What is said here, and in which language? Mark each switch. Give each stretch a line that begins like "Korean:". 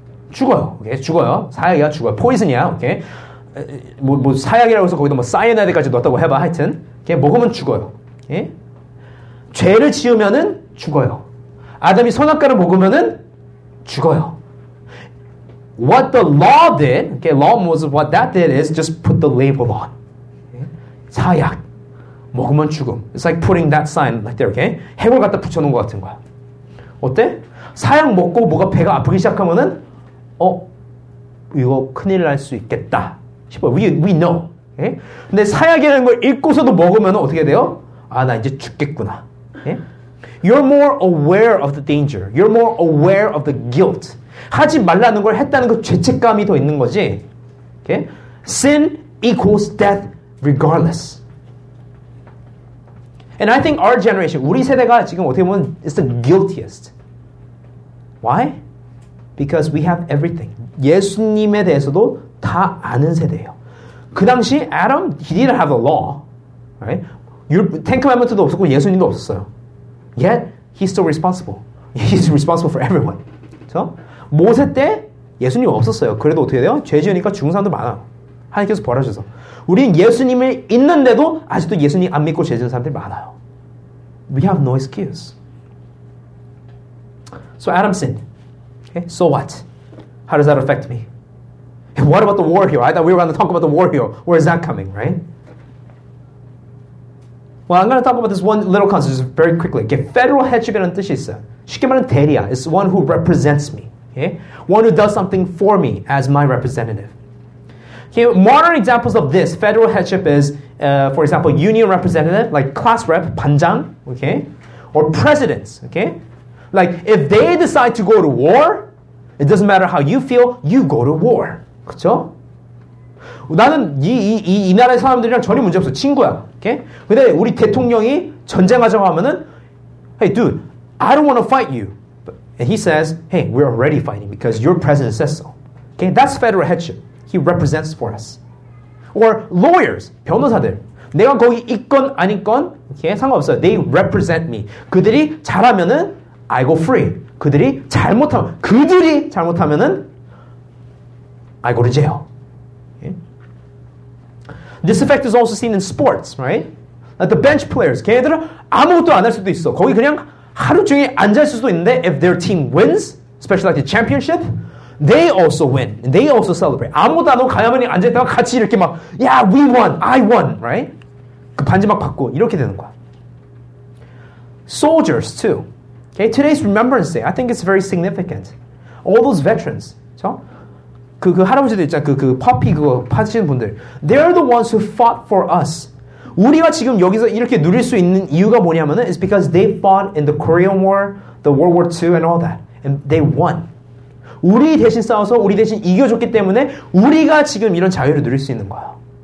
Korean: 죽어요. Okay? 죽어요. 사약이야, 죽어요. 포이즌이야. Okay? 뭐 사약이라고 해서 거기다 뭐 사이아나이드까지 넣었다고 해봐. 하여튼. Okay? 먹으면 죽어요. Okay? 죄를 지으면은 죽어요. 아담이 선악과를 먹으면은 죽어요.
English: What the law did, okay? Law Moses, what that did is just put the label on.
Korean: 사약, 먹으면 죽음.
English: It's like putting that sign like there, okay?
Korean: 해골 갖다 붙여놓은 것 같은 거야. 어때? 사약 먹고 뭐가 배가 아프기 시작하면은 어, 이거 큰일 날 수 있겠다 싶어.
English: We know. Okay?
Korean: 근데 사약이라는 걸 읽고서도 먹으면 어떻게 돼요? 아, 나 이제 죽겠구나.
English: Okay? You're more aware of the danger. You're more aware of the guilt.
Korean: 하지 말라는 걸 했다는 그 죄책감이 더 있는 거지.
English: Okay? Sin equals death. Regardless. And I think our generation,
Korean: 우리 세대가 지금 어떻게 보면
English: is the guiltiest. Why? Because we have everything.
Korean: 예수님에 대해서도 다 아는 세대예요. 그 당시
English: Adam, he didn't have the law. Right?
Korean: Ten Commandments도 없었고 예수님도 없었어요.
English: Yet, he's still responsible. He's responsible for everyone.
Korean: So, 모세 때 예수님 없었어요. 그래도 어떻게 돼요? 죄 지으니까 죽은 사람도 많아요. 하나님께서 벌하셔서. 우린 예수님을 있는데도 아직도 예수님 안 믿고 죄 지은 사람들이 많아요.
English: We have no excuse. So Adam sinned. Okay? So what? How does that affect me? And what about the war hero? I thought we were going to talk about the war hero. Where is that coming, right? Well, I'm going to talk about this one little concept just very quickly. Okay? Federal headship이라는
Korean: 뜻이 있어. 쉽게 말하면 대리야.
English: It's one who represents me. Okay? One who does something for me as my representative. Okay, modern examples of this, federal headship is, for example, union representative, like class rep, 반장, okay? Or presidents, okay? Like, if they decide to go to war, it doesn't matter how you feel, you go to war.
Korean: 그렇죠? 나는 이 나라의 사람들이랑 전혀 문제 없어. 친구야. 오케이? 근데 우리 대통령이 전쟁하자고 하면은
English: Hey dude, I don't want to fight you. And he says, "Hey, we're already fighting because your president says so." Okay? That's federal headship. He represents for us. Or lawyers, 변호사들.
Korean: 내가 거기 있건 아니건 okay? 상관없어.
English: They represent me.
Korean: 그들이 잘하면은
English: I go free.
Korean: 그들이 잘못하면 그들이 잘못하면은
English: I go to jail. Okay? This effect is also seen in sports, right? Like the bench players,
Korean: 걔네들은 아무것도 안 할 수도 있어. 거기 그냥 하루 종일 앉아 있을 수도 있는데
English: if their team wins, especially like the championship, they also win. And they also celebrate.
Korean: 아무것도 안 하고 가야만이 앉아 있다가 같이 이렇게 막
English: Yeah, we won. I won. Right?
Korean: 그 반지 막 받고 이렇게 되는 거야.
English: Soldiers too. Okay, today's Remembrance Day. I think it's very significant. All those veterans.
Korean: 그쵸? 그 할아버지도 있잖아. 그 퍼피 그거 파시는 분들.
English: They're the ones who fought for us.
Korean: 우리가 지금 여기서 이렇게 누릴 수 있는 이유가 뭐냐면은
English: It's because they fought in the Korean War, the World War II and all that. And they won.
Korean: 우리 대신 싸워서 우리 대신 이겨줬기 때문에 우리가 지금 이런 자유를 누릴 수 있는 거야.